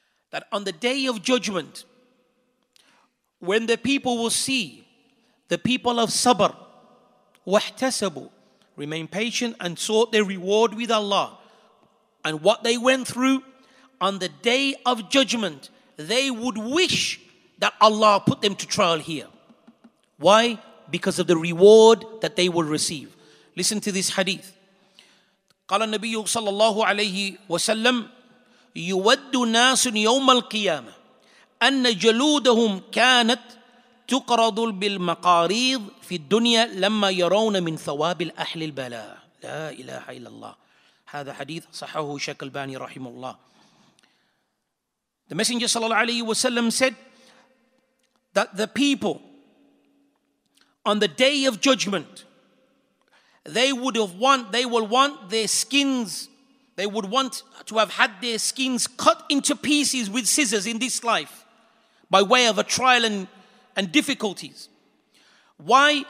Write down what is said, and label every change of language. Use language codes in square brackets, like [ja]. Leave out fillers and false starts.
[en] That on the day of judgment, when the people will see the people of sabr, wahtasabu, remain patient and sought their reward with Allah, and what they went through, on the day of judgment, they would wish that Allah put them to trial here. Why? Because of the reward that they will receive. Listen to this hadith. [ar] قال النبي صلى الله عليه وسلم يود ناس يوم القيامة أن جلودهم كانت تقرض بالمقاريض في الدنيا لما يرون من ثواب الأهل البلاء. لا إله إلا الله. هذا حديث صححه شيخ الباني رحمه الله. [en] The Messenger sallallahu alayhi wa sallam said that the people on the day of judgment, they will want their skins, they would want to have had their skins cut into pieces with scissors in this life by way of a trial and difficulties. Why?